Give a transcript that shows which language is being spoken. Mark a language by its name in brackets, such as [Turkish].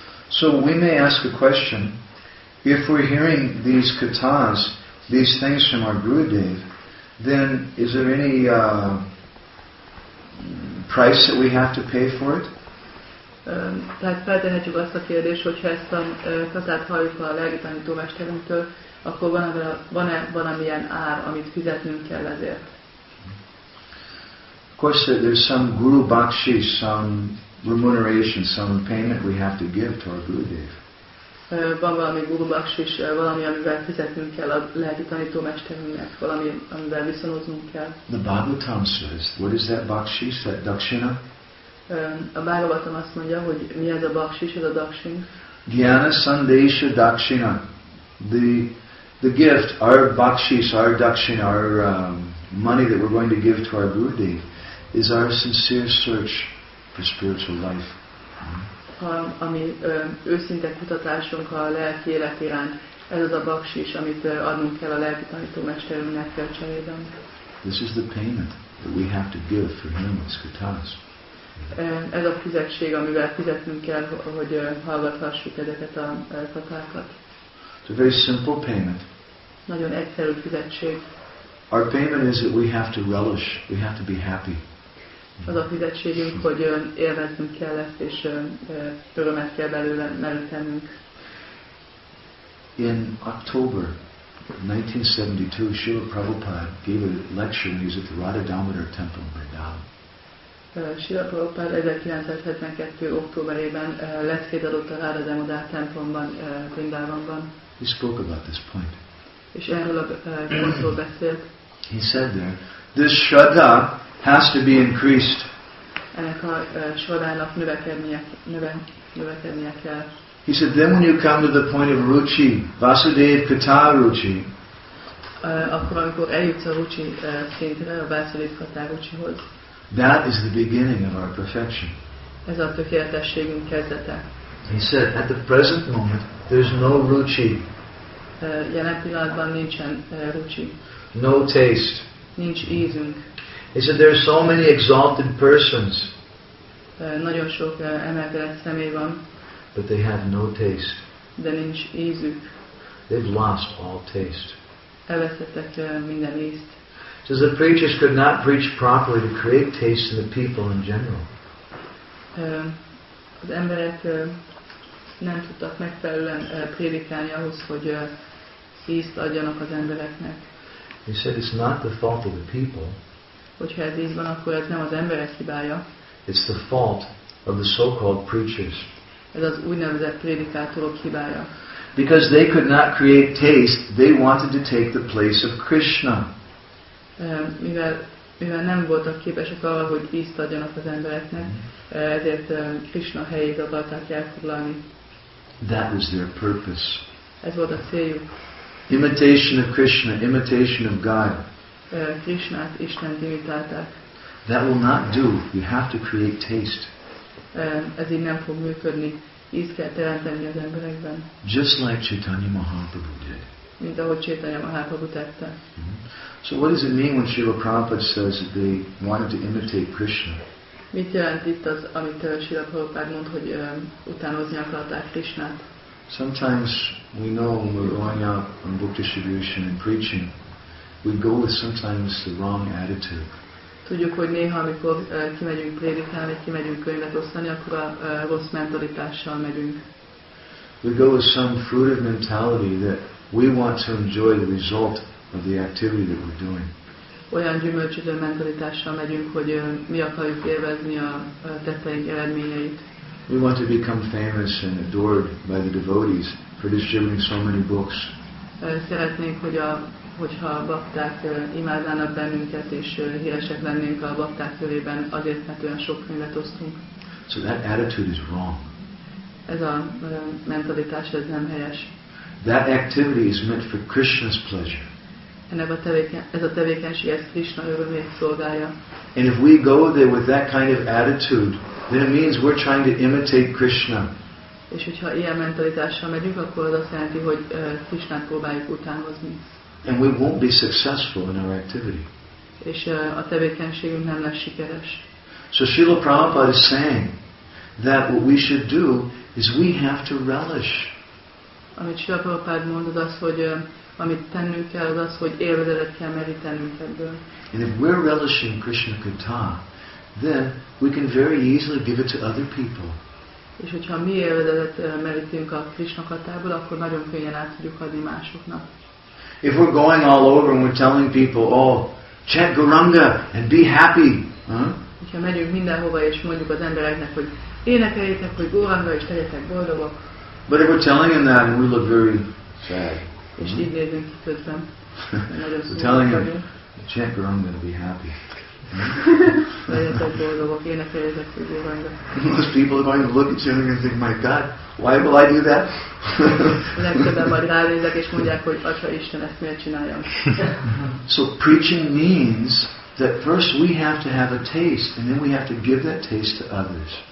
[English] So we may ask a question, if we're hearing these katas, these things from our Gurudev, then is there any price that we have to pay for it? [Hungarian] Tehát feltehetjük azt a kérdést, hogyha ezt a katát halljuk a lelkitanító mesterünktől, akkor van-e valamilyen ár, amit fizetnünk kell ezért? [English] Of course, there's some guru bhakshi, some remuneration, some payment we have to give to our Gurudev. [Hungarian] Van valami guru bhakshi, valami, amivel fizetnünk kell a lelkitanító mesterünknek, valami, amivel viszonoznunk kell. [English] The Bhagavatam says, what is that bhakshi, that dakshina? [Hungarian] A Bhagavatam azt mondja, hogy mi ez a bhakshis, ez a dakshin. [Sanskrit] Gyana sandesha dakshina. [English] The gift, our bhakshis, our dakshina, our money that we're going to give to our Gurudev is our sincere search for spiritual life. [Hungarian] Ami őszinte kutatásunk a lelki élet iránt, ez az a bhakshis, amit adnunk kell a lelki tanító mesterünknek cserében. [English] This is the payment that we have to give for him, his katas. [Hungarian] Ez a fizetség, amivel fizetnünk kell, hogy hallgathassuk ezeket a katákat. [English] It's a very simple payment. [Hungarian] Nagyon egyszerű fizetség. [English] Our payment is that we have to relish, we have to be happy. [Hungarian] Az a fizetségünk, hogy élveznünk kell ezt, és örömet kell belőle merítenünk. [English] In October 1972, Srila Prabhupada gave a lecture when he was at the Radha Damodar Temple in Vrindavan. [Hungarian] Srila Prabhupada 1972. októberében leckét adott a Radha Damodar Templomban, Vrindavanban. [English] He spoke about this point. [Hungarian] És erről a pontról beszélt. [English] He said there, this shraddha has to be increased. [Hungarian] Ennek a shraddhának növekednie kell. [English] He said, then when you come to the point of ruchi, Vasudev kata ruchi, [Hungarian] akkor amikor eljutsz a ruchi szintre, a Vasudev kata ruchihoz, [English] that is the beginning of our perfection. [Hungarian] Ez a tökéletességünk kezdete. [English] He said, at the present moment, there's no ruchi. [Hungarian] Jelen pillanatban nincsen ruchi. [English] No taste. [Hungarian] Nincs ízünk. [English] He said, there are so many exalted persons. [Hungarian] Nagyon sok emelkedett személy van. [English] But they have no taste. [Hungarian] De nincs ízük. [English] They've lost all taste. [Hungarian] Elveszettek minden ízt. [English] So the preachers could not preach properly to create taste in the people in general. [Hungarian] Az emberek nem tudtak megfelelően prédikálni ahhoz, hogy ízt adjanak az embereknek. [English] He said it's not the fault of the people. [Hungarian] Hogyha ez íz van, akkor ez nem az emberek hibája. [English] It's the fault of the so-called preachers. [Hungarian] Ez az úgynevezett prédikátorok hibája. [English] Because they could not create taste, they wanted to take the place of Krishna. [Hungarian] Mivel nem voltak képesek arra, hogy ízt adjanak az embereknek, ezért Krishna helyét akarták elfoglalni. [English] That was their purpose. [Hungarian] Ez volt a céljuk. [English] Imitation of Krishna, imitation of God. [Hungarian] Krishnát, Istent imitálták. [English] That will not do. You have to create taste. [Hungarian] Ez így nem fog működni. Ízt kell teremteni az emberekben. [English] Just like Chaitanya Mahaprabhu did. [Hungarian] mint ahogy Chaitanya Mahaprabhu tette. [English] So what does it mean when Srila Prabhupada says that they wanted to imitate Krishna? [Hungarian] Mit jelent itt az, amit Srila Prabhupada mond, hogy utánozni akarták Krishnát? [English] Sometimes we know when we're going out on book distribution and preaching, we go with sometimes the wrong attitude. [Hungarian] Tudjuk, hogy néha, amikor kimegyünk prédikálni, kimegyünk könyvet osztani, akkor a rossz mentalitással megyünk. [English] We go with some fruitive mentality that we want to enjoy the result of the activity that we're doing. [Hungarian] Olyan gyümölcsöző mentalitással megyünk, hogy mi akarjuk élvezni a tetteink eredményeit. [English] We want to become famous and adored by the devotees for distributing so many books. [Hungarian] Szeretnénk, hogyha a bakták imádnának bennünket, és híresek lennénk a bakták körében azért, mert olyan sok könyvet osztunk. [English] So that attitude is wrong. [Hungarian] Ez a mentalitás, ez nem helyes. [English] That activity is meant for Krishna's pleasure. [Hungarian] Ez a tevékenység, ez Krishna örömét szolgálja. [English] And if we go there with that kind of attitude, then it means we're trying to imitate Krishna. [Hungarian] És hogyha ilyen mentalitással megyünk, akkor az azt jelenti, hogy Krishnát próbáljuk utánozni. [English] And we won't be successful in our activity. [Hungarian] És a tevékenységünk nem lesz sikeres. [English] So Srila Prabhupada is saying that what we should do is we have to relish. [Hungarian] Amit Srila Prabhupada mond, az az, hogy amit tennünk kell, az az, hogy élvezetet kell merítenünk ebből. [English] And if we're relishing Krishna Katha, then we can very easily give it to other people. [Hungarian] És hogyha mi élvezetet merítünk a Krishna Kathából, akkor nagyon könnyen át tudjuk adni másoknak. [English] If we're going all over and we're telling people, oh, chant Gauranga and be happy. [Hungarian] Hogyha megyünk mindenhova és mondjuk az embereknek, hogy énekeljétek, hogy Gauranga és legyetek boldogok. [English] But if we're telling them that and we look very sad. [Hungarian] És így nézünk ki közben. [English] We're telling them, chant Gauranga and be happy. [Hungarian] Legyetek boldogok, énekeljétek, hogy Gauranga. [English] Most people are going to look at you and think, my God, why will I do that? [Hungarian] Legtöbben majd ránézek és mondják, hogy Atya Isten, ezt miért csináljam? [English] So preaching means that first we have to have a taste, and then we have to give that taste to others.